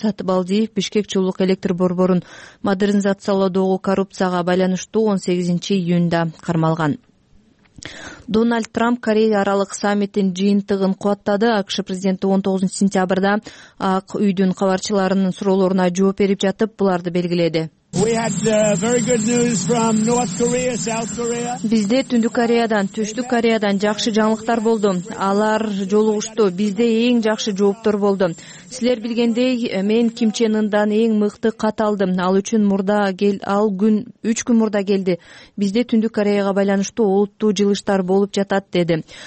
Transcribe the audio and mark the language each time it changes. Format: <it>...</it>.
<ky>Сатыбалдиев Бишкек чуулук электр борборун модернизациялоодогу коррупцияга байланыштуу 18-июнда кармалган. Дональд Трамп Корея аралык саммитин жыйынтыгын кубаттады. АКШ президенти 19-сентябрда Ак үйдүн кабарчыларынын суроолоруна жооп берип жатып, буларды белгиледи.</ky> <en>We had very good news from North Korea, South Korea.</en> <ky>Бизде Түндүк Кореядан, Түштүк Кореядан жакшы жаңылыктар болду. Алар жолугушту. Бизде эң жакшы жооптор болду. Силер билгендей, мен Ким Чен Ындан эң мыкты кат алдым. Ал үчүн мурда кел, ал күн 3 күн мурда келди. Бизде Түндүк Кореяга байланыштуу олуттуу жылыштар болуп жатат деди.</ky>